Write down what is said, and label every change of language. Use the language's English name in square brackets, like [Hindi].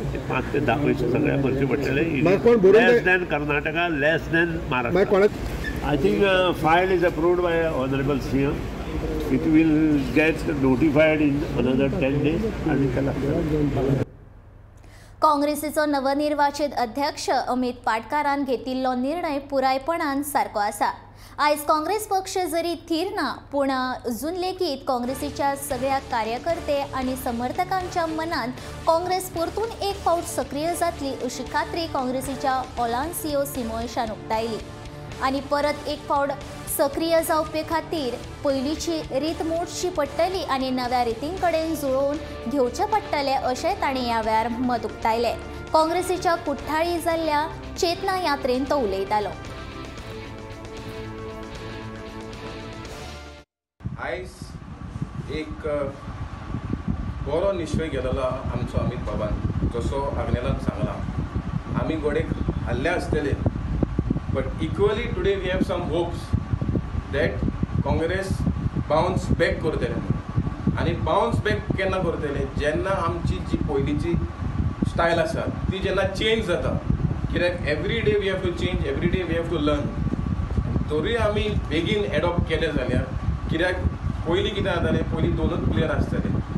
[Goan Konkani] 5 ते 10 पैसे सगळ्यांक भरचे पडटले. [English] Less than Karnataka, less than Maharashtra. I think file is approved by honourable CM. It will get notified in another 10 days and it will [Goan Konkani] काँग्रेसीचो नवनिर्वाचित अध्यक्ष अमित पाटकारान घेतिल्लो निर्णय पुरायपणान सारको आसा. आयज काँग्रेस पक्ष जरी थीर ना पूण अजून लेगीत काँग्रेसीच्या सगळ्या कार्यकर्ते आणि समर्थकांच्या मनात काँग्रेस परतून एक फावट सक्रिय जातली अशी खात्री काँग्रेसीच्या ओलांसियो सिमोन्शान उक्तायली. आणि परत एक फावट सक्रिय जावपे खातीर पयलीची रीत मोडची पडटली आनी नव्या रितींकडेन जुळोवन घेवचे पडटले अशें ताणें ह्या वेळार मत उक्तायलें. काँग्रेसीच्या कुठ्ठाळी जाल्ल्या चेतना यात्रेन तो उलयतालो. आयज एक बरो निश्चय घेतलेलो आमचो अमित बाबान. जसो आग्नेलान सांगला आमी घोडेक हल्ले आसतले [English] but equally today we have some hopes that Congress bounce back [Goan Konkani] करतले. आनी [English] bounce back [Goan Konkani] केन्ना करतले जेन्ना आमची जी पयलींची स्टायल आसा ती जेन्ना चेंज जाता. कित्याक [English] Every day we have to change, every day we have to learn. [Goan Konkani] तरी आमी बेगीन एडॉप्ट केले जाल्यार कित्याक पयलीं कितें जातालें, पयलीं दोनूच प्लेयर आसताले.